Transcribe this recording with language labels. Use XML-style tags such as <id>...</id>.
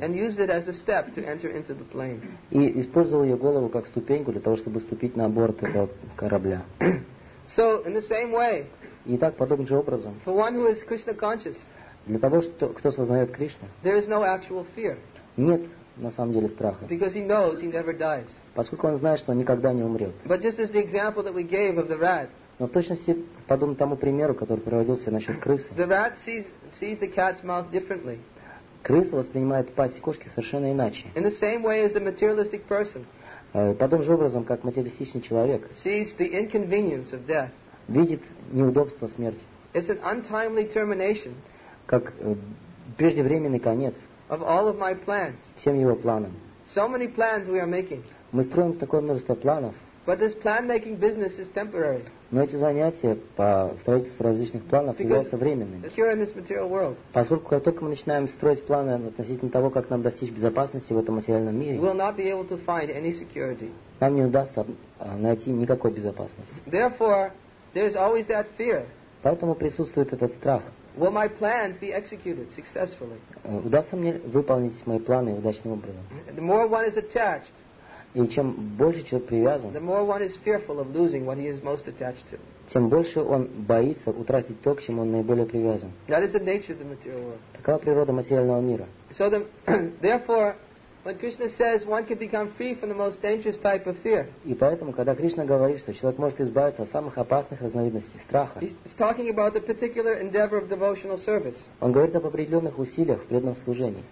<en>And used it as a step to enter into the plane.</en> <ru>И использовал ее голову как ступеньку для того, чтобы вступить на борт этого корабля.</ru> <en>So, in the same way,</en> <ru>и так, подобным же образом,</ru> <en>for one who is Krishna conscious,</en> <ru>для того, кто сознает Кришну,</ru> <en>there is no actual fear.</en> <ru>Нет на самом деле страха.</ru> <en>Because he knows he never dies.</en> <ru>Поскольку он знает, что он никогда не умрет.</ru> <en>But just as the example that we gave of the rat,</en> <ru>но в точности подобно тому примеру, который приводился насчет крысы.</ru> <en>The rat sees the cat's mouth differently.</en> <ru>Крыса воспринимает пасть кошки совершенно иначе.</ru> <en>In the same way as the materialistic person.</en> <ru>Подобным же образом, как материалистичный человек.</ru> <en>Sees the inconvenience of death.</en> <ru>Видит неудобство смерти.</ru> <en>It's an untimely termination.</en> <ru>Как преждевременный конец.</ru> <en>Of all of my plans.</en> <ru>Всем его планам.</ru> <en>So many plans we are making.</en> <ru>Мы строим такое множество планов.</ru> <en>But this plan-making business is temporary.</en> <ru>Но эти занятия по строительству различных планов являются временными.</ru> <en>Here in this material world.</en> <ru>Поскольку как только мы начинаем строить планы относительно того, как нам достичь безопасности в этом материальном мире,</ru> <en>we'll not be able to find any security.</en> <ru>Нам не удастся найти никакой безопасности.</ru> <en>Therefore, there's always that fear.</en> <ru>Поэтому присутствует этот страх.</ru> <en>Will my plans be executed successfully?</en> <ru>Удастся мне выполнить мои планы удачным образом?</ru> <en>The more one is attached,</en> <ru>и чем больше человек привязан,</ru> <en>the more one is fearful of losing what he is most attached to.</en> <ru>Тем больше он боится утратить то, к чему он наиболее привязан.</ru> <en>That is the nature of the material world.</en> <ru>Такова природа материального мира.</ru> <en>So the, therefore, when Krishna says one can become free from the most dangerous type of fear.</en> <ru>И поэтому, когда Кришна говорит, что человек может избавиться от самых опасных разновидностей страха,</ru> <en>he's talking about the particular endeavor of devotional service.</en> <ru>Он говорит об определенных усилиях в преданном служении.</ru>